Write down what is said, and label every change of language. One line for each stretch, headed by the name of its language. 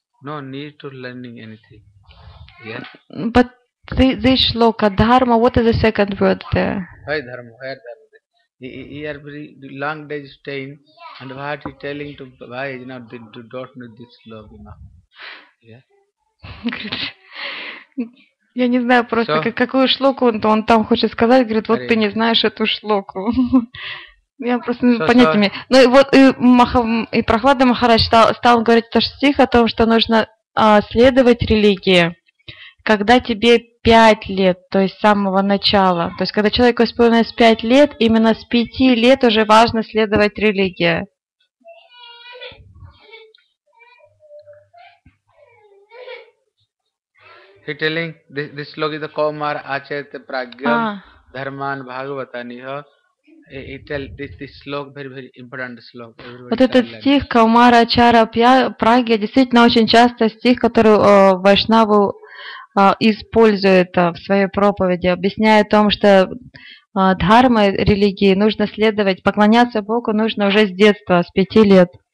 English: No need to learning anything. Yeah. But this shloka, dharma, what is the second word there? Why dharma? Where dharma? He are very long days staying, and what he telling to why you know, do not know this shloka now.
Russian: Я не знаю просто, какую шлоку он там хочет сказать, говорит, вот ты не знаешь эту шлоку. Я просто понять не имею. Ну и вот и Прохлада Махарадж стал говорить тот же стих о том, что нужно следовать религии, когда тебе 5 лет, то есть с самого начала. То есть когда человеку исполнилось 5 лет, именно с 5 лет уже важно следовать религии.
English: He telling this shloka is the
Sanskrit: Kaumar Acharya Pragyam Dharman Bhagavatani.
English: He tell this shloka very very important shloka.
Russian: Вот этот стих
Sanskrit: Kaumar Acharya Pragya
Russian: действительно очень часто стих, который Вайшнаву использует в своей проповеди, объясняя о том, что дхарма религии нужно следовать, поклоняться Богу нужно уже с детства, с 5 лет.